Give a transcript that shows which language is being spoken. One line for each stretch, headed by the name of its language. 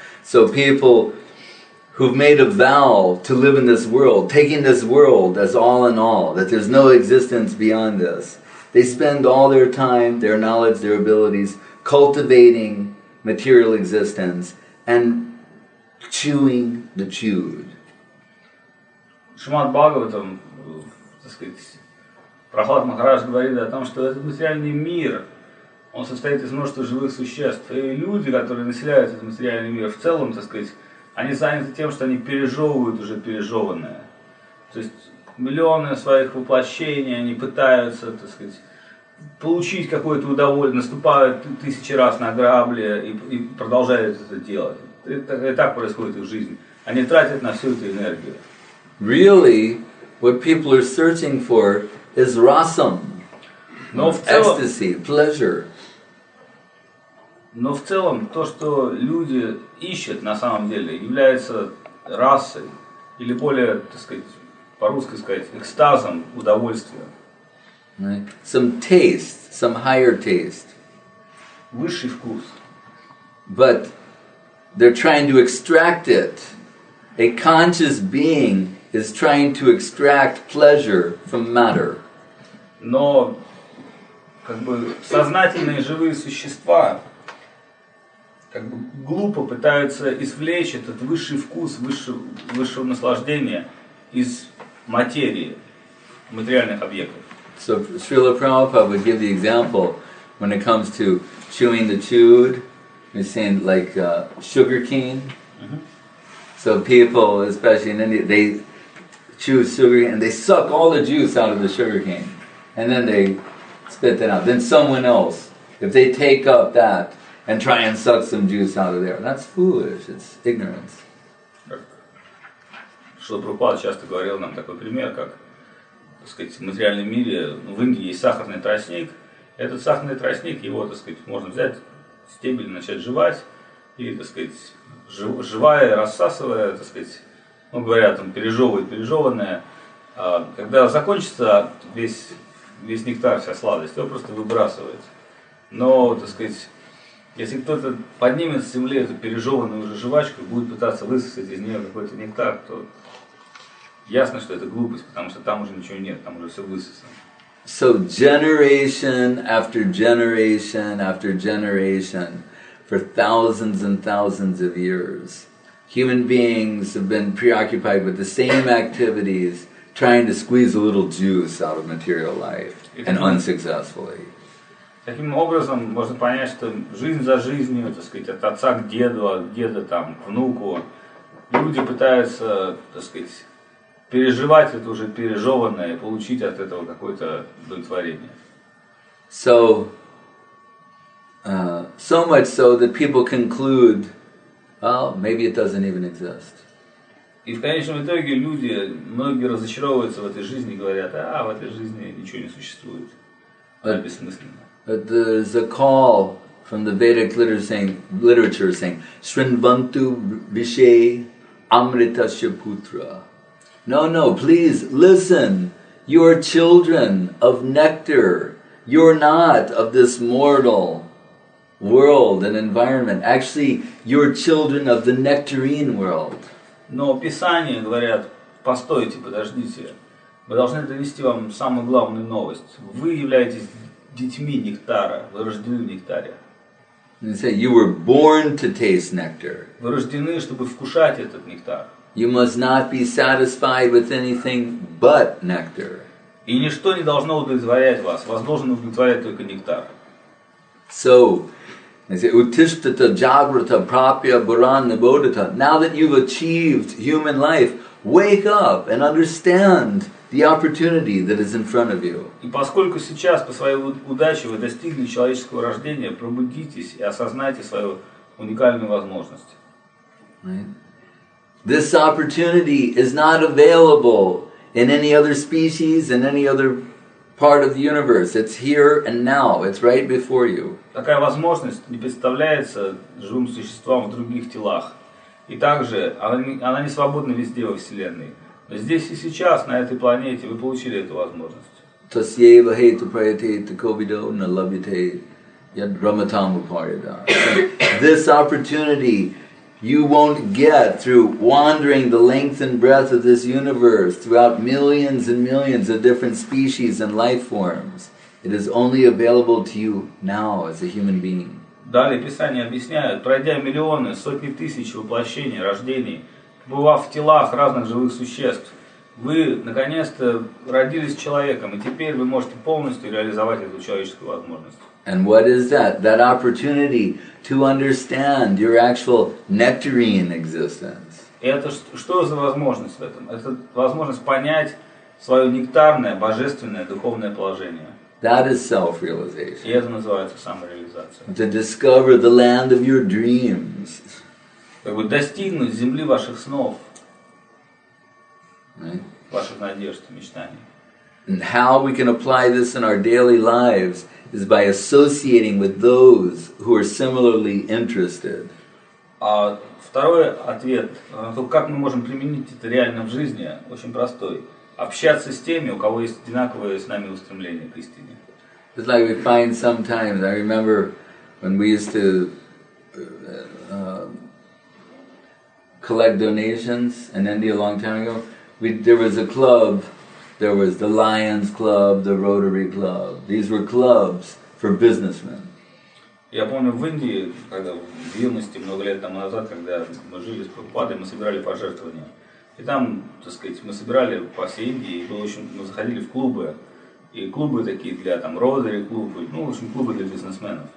English: So people who've made a vow to live in this world, taking this world as all in all, that there's no existence beyond this, they spend all their time, their knowledge, their abilities, cultivating material existence and chewing the chewed.
Russian: Shrimad Bhagavatam, так сказать, Прохлад Махарадж говорит о том, что этот материальный мир, он состоит из множества живых существ. И люди, которые населяют этот материальный мир в целом, так сказать, они заняты тем, что они пережевывают уже пережеванное. То есть миллионы своих воплощений, они пытаются, так сказать, получить какое-то удовольствие, наступают тысячи раз на грабли и продолжают это делать. И так происходит их жизнь. Они тратят на всю эту энергию.
English: Really? What people are searching for is rasam, ecstasy, pleasure.
Russian: Но в целом то, что люди ищут на самом деле, является расой или более, так сказать, по-русски сказать, экстазом, удовольствием.
English: Right. Some taste, some higher taste.
Russian: Высший вкус.
English: But they're trying to extract it. A conscious being is trying to extract pleasure from matter.
Russian: Но как бы сознательные живые существа как бы глупо пытаются извлечь этот высший вкус, высшего наслаждения из материи, материальных объектов.
English: So Srila Prabhupada would give the example when it comes to chewing the chewed, he's saying like sugar cane. So people, especially in India, they chew sugar cane, and they suck all the juice out of the sugar cane, and then they spit that out. Then someone else, if they take up that and try and suck some juice out of there, that's foolish. It's ignorance.
Russian: Шрила Прабхупада часто говорил нам такой пример, как, так сказать, в материальном мире, в Индии есть сахарный тростник. Этот сахарный тростник, его, так сказать, можно взять стебель, начать жевать, и, так сказать, жевая, рассасывая, так сказать, ну, говорят, там пережевывает пережеванное. Когда закончится весь нектар, вся сладость, его просто выбрасывает. Но, так сказать, если кто-то поднимет с земли эту пережеванную уже жвачку и будет пытаться высосать из нее какой-то нектар, то ясно, что это глупость, потому что там уже ничего нет, там уже все высосано.
English: So generation after generation after generation, for thousands and thousands of years. Human beings have been preoccupied with the same activities, trying to squeeze a little juice out of material life, and unsuccessfully.
Russian: Таким образом можно понять, что жизнь за жизнью, так сказать, от отца к деду, от деда там, к внуку, люди пытаются, так сказать, переживать это уже пережеванное, получить от этого какое-то удовлетворение.
English: So, so much so that people conclude, well, maybe it doesn't even exist.
Russian: И в конечном итоге люди, многие разочаровываются в этой жизни и говорят, а в этой жизни ничего не существует, она бессмысленна.
English: But there's a call from the Vedic literature saying,
Sanskrit: Srinvantu Vishe Amritasya Putra.
English: No, no, please listen. You are children of nectar. You're not of this mortal world and environment. Actually, you're children of the nectarine world.
Russian: Но Писания говорят, постойте, подождите. Мы должны донести вам самую главную новость. Вы являетесь детьми нектара, вы рождены в нектаре.
English: They say you were born to taste nectar.
Russian: Вы рождены, чтобы вкушать этот нектар.
English: You must not be satisfied with anything but nectar.
Russian: И ничто не должно удовлетворять вас. Вас должен удовлетворять только нектар.
English: So, they say
Sanskrit: utishtata jagrata prapya bharan nibodhata.
English: Now that you've achieved human life, wake up and understand the opportunity that is in front of you.
Russian: И поскольку сейчас по своей удаче вы достигли человеческого рождения, пробудитесь и осознайте свою уникальную возможность.
English: This opportunity is not available in any other species, in any other part of the universe. It's here and now. It's right before you.
Russian: Такая возможность не представляется живым существам в других телах. И также она не свободна везде во Вселенной. Здесь и сейчас, на этой планете, вы получили эту возможность.
Sanskrit: Тасьева хейту праятейту ковидо на лабитей яд раматаму парьяда.
English: This opportunity you won't get through wandering the length and breadth of this universe throughout millions and millions of different species and life forms. It is only available to you now as a human being.
Russian: Далее Писание объясняет, пройдя миллионы, сотни тысяч воплощений, рождений, побывав в телах разных живых существ, вы наконец-то родились человеком, и теперь вы можете полностью реализовать эту человеческую возможность.
English: And what is that? That opportunity to understand your actual nectarine existence.
Russian: Это что за возможность в этом? Это возможность понять свое нектарное, божественное, духовное положение.
English: That is self-realization.
Russian: И это называется самореализация.
English: To discover the land of your dreams.
Russian: Как бы достигнуть земли ваших снов, ваших надежд, мечтаний.
English: And how we can apply this in our daily lives is by associating with those who are similarly interested.
Russian: А второй ответ, то как мы можем применить это реально в жизни, очень простой. Общаться с теми, у кого есть одинаковые с нами устремления к истине.
English: It's like we find sometimes, I remember when we used to collect donations in India a long time ago. There was a club, there was the Lions Club, the Rotary Club. These were clubs for businessmen.
Russian: Я помню в Индии, когда в юности много лет тому назад, когда мы жили с Прабхупадой, мы собирали пожертвования. И там, так сказать, мы собирали по всей Индии, и было очень, мы заходили в клубы. И клубы такие для там Rotary клубы, ну, в общем, клубы для бизнесменов.